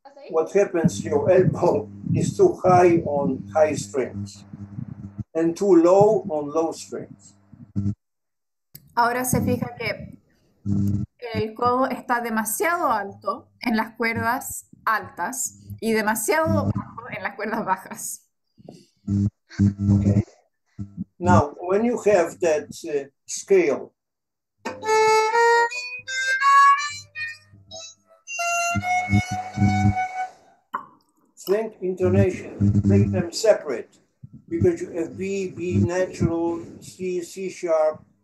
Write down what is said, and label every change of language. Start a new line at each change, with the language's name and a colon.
English: What happens, your elbow is too high on high strings and too low on low strings.
Spanish: Ahora se fija que el codo está demasiado alto en las cuerdas altas y demasiado bajo en las cuerdas bajas.
English: Okay. Now, when you have that scale, think intonation, make them separate, because you have B, B natural, C, C sharp.